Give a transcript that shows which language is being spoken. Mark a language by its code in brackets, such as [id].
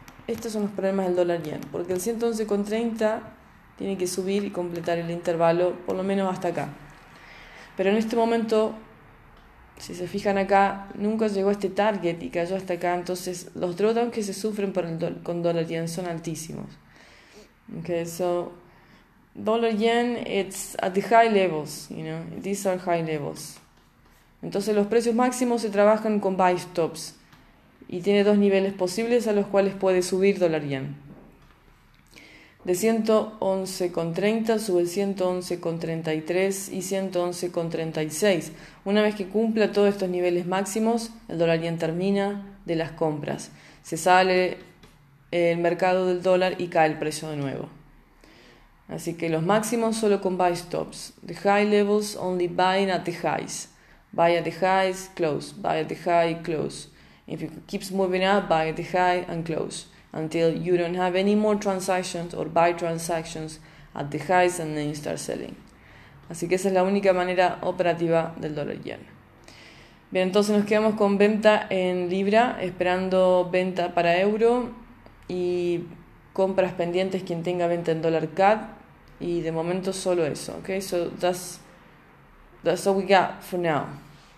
[es] Estos son los problemas del dólar yen, porque el 111.30 tiene que subir y completar el intervalo, por lo menos hasta acá. Pero en este momento, si se fijan acá, nunca llegó a este target y cayó hasta acá, entonces los drawdowns que se sufren con dólar yen son altísimos. [en] Okay, so Dollar yen, it's at the high levels, you know, these are high levels. [es] Entonces los precios máximos se trabajan con buy stops y tiene dos niveles posibles a los cuales puede subir dólar yen. De 111,30 sube 111,33 y 111,36. Una vez que cumpla todos estos niveles máximos, el dólar yen termina de las compras. Se sale el mercado del dólar y cae el precio de nuevo. Así que los máximos solo con buy stops. [en] The high levels only buying at the highs. Buy at the highs, close. Buy at the high, close. If it keeps moving up, buy at the high and close. Until you don't have any more transactions or buy transactions at the highs and then you start selling. [es] Así que esa es la única manera operativa del dólar yen. Bien, entonces nos quedamos con venta en libra, esperando venta para euro y compras pendientes quien tenga venta en dólar CAD. Y de momento solo eso, [en] ok? So that's what we got for now.